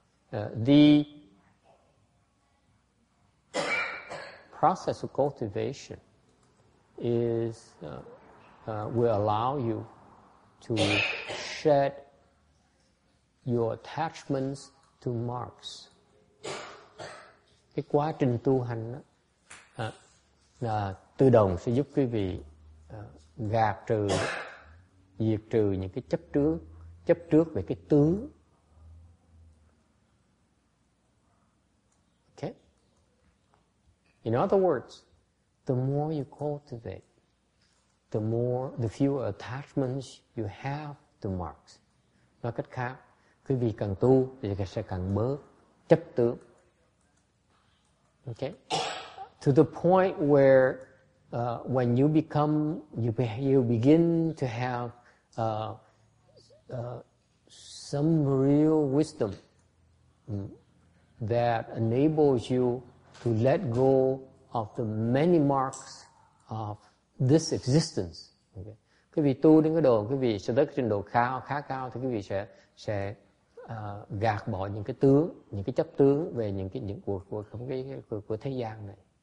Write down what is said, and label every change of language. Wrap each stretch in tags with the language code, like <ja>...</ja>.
<en>The process of cultivation is will allow you to shed your attachments to marks.</en> <vi>Cái quá trình tu hành đó, tự động sẽ giúp quý vị gạt trừ, diệt trừ những cái chấp trước về cái tướng.</vi> <en>In other words, the more you cultivate, the fewer attachments you have to marks.</en> <vi>Nói cách khác, quý vị càng tu thì sẽ càng bớt chấp tướng.</vi> <en>Okay? To the point where when you become, you begin to have some real wisdom that enables you to let go of the many marks of this existence. Okay.</en> <vi>Quý vị tu đến cái độ, quý vị sẽ tới trình độ khá cao thì quý vị sẽ gạt bỏ những cái tướng, những cái chấp tướng về những cuộc của thế gian này.</vi>